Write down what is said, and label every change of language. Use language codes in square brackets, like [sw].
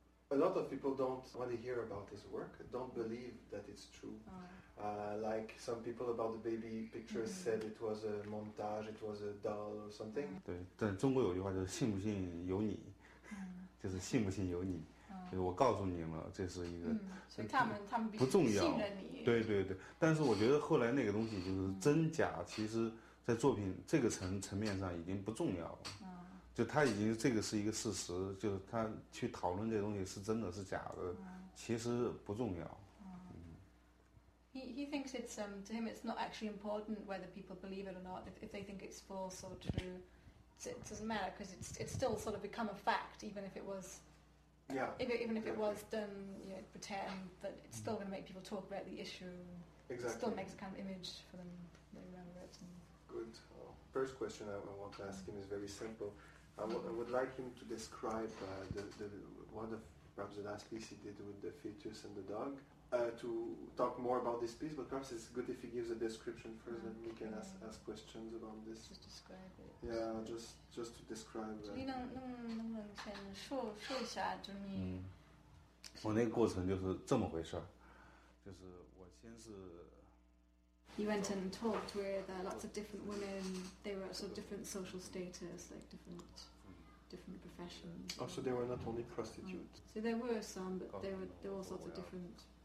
[en] A lot of people don't want to hear about his work, don't believe that it's true. Like some people about the baby pictures said it was a montage, it was a doll or something. [zh] 对，但中国有句话就是"信不信由你"，就是"信不信由你"。就是我告诉你了，这是一个，所以他们不重要，信任你。对对对，但是我觉得后来那个东西就是真假，其实在作品这个层面上已经不重要了。就他已经这个是一个事实，就是他去讨论这东西是真的是假的，其实不重要。 [en] He thinks it's to him it's not actually important whether people believe it or not, if they think it's false or true, it doesn't matter because it's still sort of become a fact even if it was. Yeah. Even if it was done, you know, pretend that it's still going to make people talk about the issue. Exactly. It still makes a kind of image for them. They remember it. Good. Well, first question I want to ask him is very simple. I would like him to describe perhaps the last piece he did with the fetus and the dog. To talk more about this piece, but perhaps it's good if he gives a description first, okay. Then we can ask questions about this. Just describe it. Yeah, just to describe. [zh] 你能不能先说一下，就你。我那个过程就是这么回事儿，就是我先是。 [en] You went and talked with lots of different women. They were sort of different social status, like different professions. Oh, so they were not only prostitutes. So there were some, but there were all sorts of different.